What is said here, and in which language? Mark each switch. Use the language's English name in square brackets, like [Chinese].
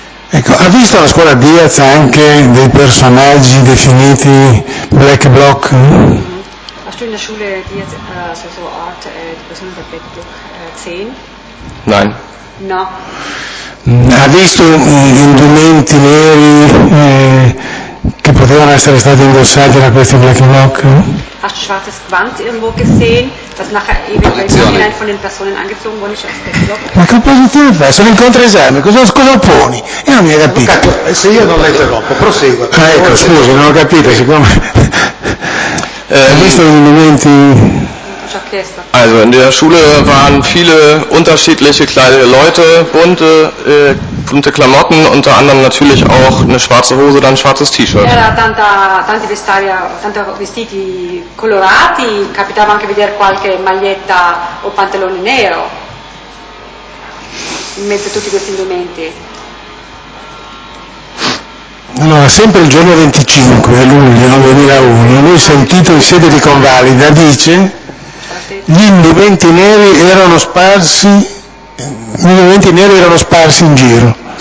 [Italian] Ecco, ha visto la scuola Diaz anche dei personaggi definiti Black Bloc? [German] Hast du in der Schule Diaz so Art, die Person der Black Bloc, gesehen? Nein. [Italian] No. Ha visto indumenti neri che potrebbero potevano essere stati indossati da questi Black Bloc? [German] Hast du schwarzes Gewand irgendwo gesehen, das nachher eventuell von den Personen angezogen wurde, nicht als Black Bloc? [Italian] Ma che posizione fai? Sono in controesame, cosa opponi? Io non mi hai capito. Capito. Se io non l'interrompo, prosegua. Ah, ecco, scusa, non ho capito, siccome... questo è un momento... [German] Also in der Schule waren viele unterschiedliche kleine Leute, bunte, bunte Klamotten, unter anderem natürlich auch eine schwarze Hose, dann ein schwarzes T-Shirt. [Italian] Era tanti vestiti, colorati, capitava anche vedere qualche maglietta o pantalone nero in mezzo a tutti questi indumenti. Allora, sempre il giorno 25 luglio 2001, lui sentito in sede di convalida dice: gli indumenti neri erano sparsi, gli indumenti neri erano sparsi in giro.